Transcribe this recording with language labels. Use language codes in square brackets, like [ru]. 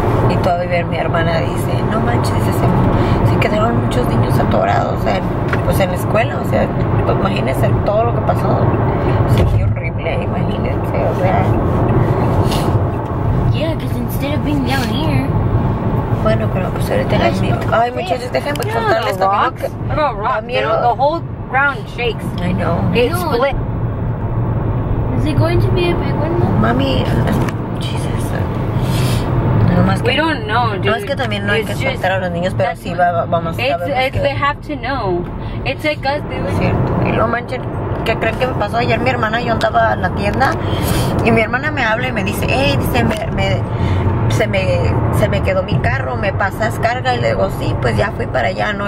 [es] Y todavía mi hermana dice, no manches, se quedaron muchos niños atorados en la escuela. O sea, pues imagínense todo lo que pasó. Sentí horrible, imagínense, o sea. [en] Yeah, because instead of being down here. [es] Bueno, pero pues ahorita la miro. Ay, muchachos, déjenme contarles también. No, rock. [en] The whole ground shakes. I know. It split. Is it going to be a big one? [es] Mami, Jesus. No más que. [en] We don't know, dude. [es] No es que también no hay que espantar a los niños, pero sí vamos a ver. [en] They have to know. It's like us, dude. [es] Es cierto. Y lo manchen. ¿Qué creen que me pasó? Ayer mi hermana, yo andaba a la tienda y mi hermana me habla y me dice, hey, dice, se me quedó mi carro, ¿me pasas carga? Y le digo, sí, pues ya fui para allá, ¿no?